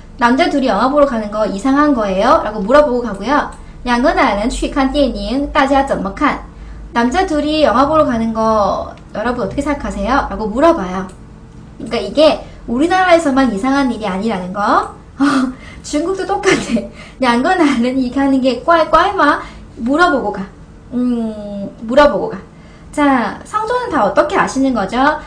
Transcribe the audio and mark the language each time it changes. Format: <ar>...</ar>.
<ko>남자 둘이 영화 보러 가는 거 이상한 거예요? 라고 물어보고 가고요.</ko> <zh>两个男人去看电影大家怎么看?</zh> <ko>남자 둘이 영화 보러 가는 거 여러분 어떻게 생각하세요? 라고 물어봐요. 그러니까 이게 우리나라에서만 이상한 일이 아니라는 거. 중국도 똑같아. 양건아는 이렇게 하는 게 꽈꽈마 물어보고 가. 물어보고 가. 자, 성조는 다 어떻게 아시는 거죠?</ko>